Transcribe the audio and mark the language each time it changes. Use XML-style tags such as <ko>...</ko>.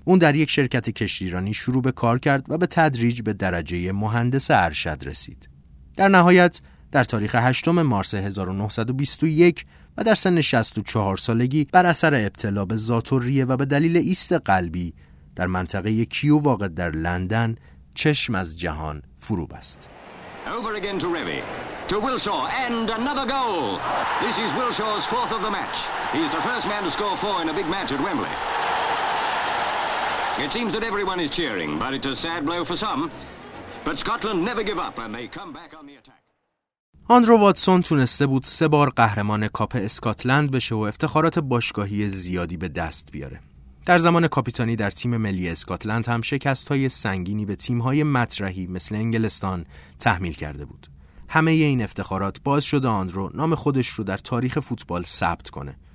<fa>اون در یک شرکت کشتیرانی شروع به کار کرد و به تدریج به درجه مهندس ارشد رسید. در نهایت، در تاریخ 8 مارس 1921 و در سن 64 سالگی بر اثر ابتلا به ذات‌الریه و به دلیل ایست قلبی در منطقه کیو واقع در لندن، چشم از جهان فرو بست.</fa> <en>Over again to Revy, to Wilshaw, and another goal. This is Wilshaw's fourth of the match. He's the first man to score four in a big match at Wembley. It seems that everyone is cheering, but it's a sad blow for some. But Scotland never give up, and they come back on the attack.</en> <fa>اندرو واتسون تونسته بود سه بار قهرمان کاپ اسکاتلند بشه و افتخارات باشگاهی زیادی به دست بیاره. در زمان کاپیتانی در تیم ملی اسکاتلند هم شکست‌های سنگینی به تیم‌های مطرحی مثل انگلستان تحمیل کرده بود. همه ی این افتخارات باعث شده اندرو نام خودش رو در تاریخ فوتبال ثبت کنه.</fa>